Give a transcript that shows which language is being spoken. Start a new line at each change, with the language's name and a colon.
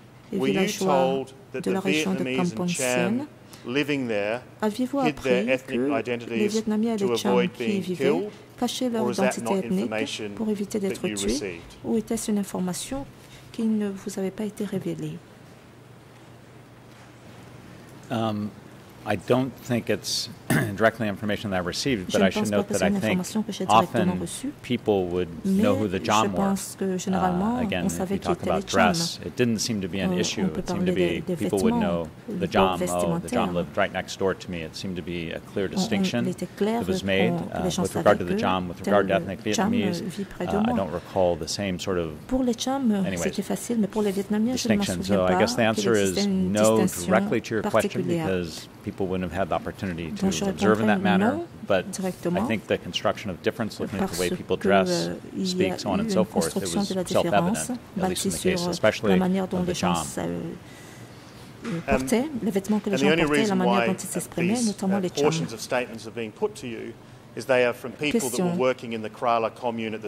English: were you told that the Vietnamese and Cham living there hid their ethnic identities to avoid being killed,
French: cacher leur identité ethnique pour éviter d'être tués, ou était-ce une information qui ne vous avait pas été révélée?
English: I don't think it's directly information that I received, but I should note that I think often people would know who the Cham were. Again, if you talk about dress, it didn't seem to be an issue. It seemed to be people would know the Cham. Oh, the Cham lived right next door to me. It seemed to be a clear distinction that was made with regard to the Cham, with regard to ethnic Vietnamese. I don't recall the same sort of distinction. So I guess the answer is no directly to your question, because people wouldn't have had the opportunity to observe in that manner, but I think the construction of difference looking at the way people dress, speak, so on and so forth, it was self-evident, at least in the case, especially of the Cham.
French: Portaient, les vêtements que les gens portaient, la manière dont ils s'exprimaient, notamment les Cham.
English: Portions of statements are being put to you is they are from people question. That were working in the Krala commune at the